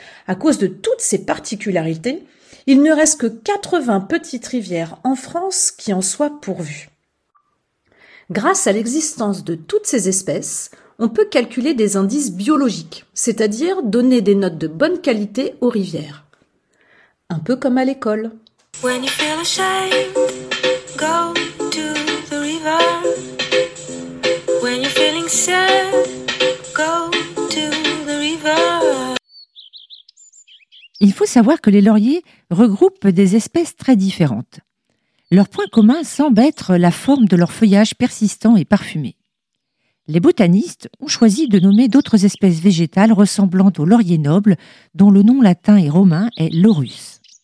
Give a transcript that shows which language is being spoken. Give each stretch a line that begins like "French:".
French: À cause de toutes ces particularités, il ne reste que 80 petites rivières en France qui en soient pourvues. Grâce à l'existence de toutes ces espèces, on peut calculer des indices biologiques, c'est-à-dire donner des notes de bonne qualité aux rivières. Un peu comme à l'école.
English: When you feel ashamed, go to the river. When you're feeling sad, go to the river.
French: Il faut savoir que les lauriers regroupent des espèces très différentes. Leur point commun semble être la forme de leur feuillage persistant et parfumé. Les botanistes ont choisi de nommer d'autres espèces végétales ressemblant au laurier noble, dont le nom latin et romain est laurus.